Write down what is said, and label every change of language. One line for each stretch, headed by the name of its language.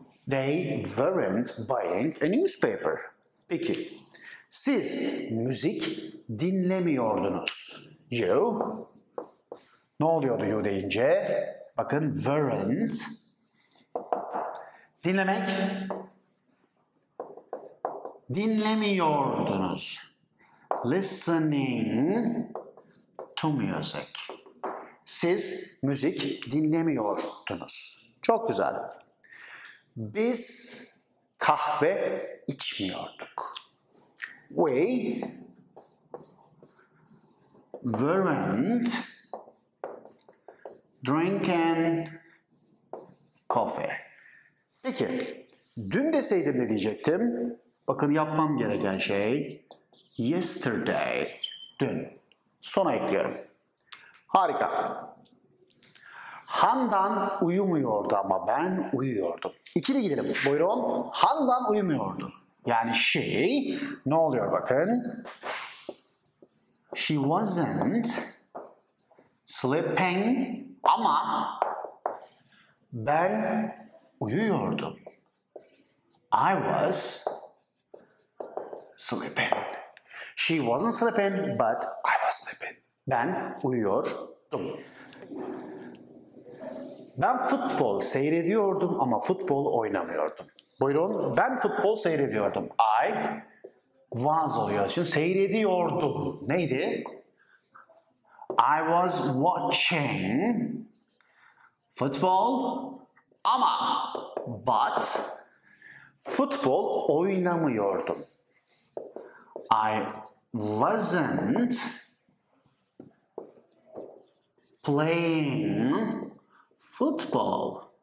English: They weren't buying a newspaper.
Turkish: Peki siz müzik dinlemiyordunuz.
English: You
Turkish: ne oluyordu you deyince? Bakın weren't dinlemek, dinlemiyordunuz.
English: Listening to music.
Turkish: Siz müzik dinlemiyordunuz. Çok güzel. Biz kahve içmiyorduk.
English: We weren't drinking coffee.
Turkish: Peki, dün deseydim ne diyecektim? Bakın yapmam gereken şey
English: yesterday,
Turkish: dün. Sona ekliyorum. Harika. Handan uyumuyordu ama ben uyuyordum. İkili gidelim. Buyurun. Handan uyumuyordu. Yani she, ne oluyor bakın?
English: She wasn't sleeping
Turkish: ama ben uyuyordum.
English: I was sleeping. She wasn't sleeping, but I was sleeping.
Turkish: Ben uyuyordum. Ben futbol seyrediyordum ama futbol oynamıyordum. Buyurun. Ben futbol seyrediyordum.
English: I
Turkish: was oluyor. Şimdi seyrediyordum. Neydi?
English: I was watching football.
Turkish: Ama but futbol oynamıyordum.
English: I wasn't playing football.